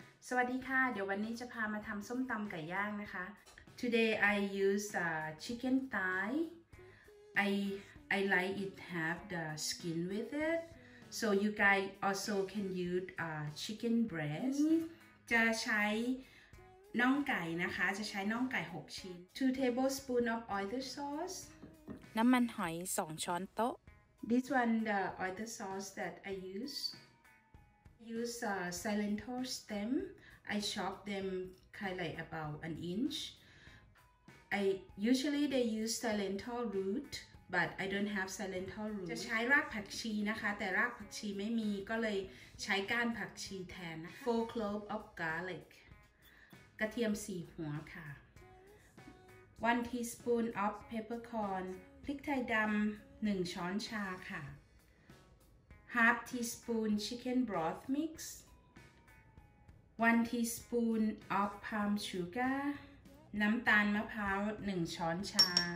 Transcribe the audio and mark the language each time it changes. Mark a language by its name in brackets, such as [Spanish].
[Thai] สวัสดีค่ะเดี๋ยววันนี้จะพามาทำส้มตำไก่ย่างนะคะ [English] Today I use chicken thigh. I like it have the skin with it. So you guys also can use chicken breast. [Thai] จะใช้น่องไก่นะคะจะใช้น่องไก่6ชิ้น [English] 2 tablespoons of oyster sauce [Thai] น้ำมันหอย2ช้อนโต๊ะ [English] This one the oyster sauce that I use. Use cilantro stem. I chop them kind of like about an inch. Usually they use cilantro root, but I don't have cilantro root. [Thai] จะใช้รากผักชีนะคะแต่รากผักชีไม่มีก็เลยใช้ก้านผักชีแทน [English] 4 clove of garlic. [Thai] กระเทียม4หัวค่ะ [English] 1 teaspoon of peppercorn [Thai] พริกไทยดำ1ช้อนชาค่ะ [English] 1/2 teaspoon chicken broth mix 1 teaspoon of palm sugar [Thai] น้ำตาลมะพร้าว1ช้อนชา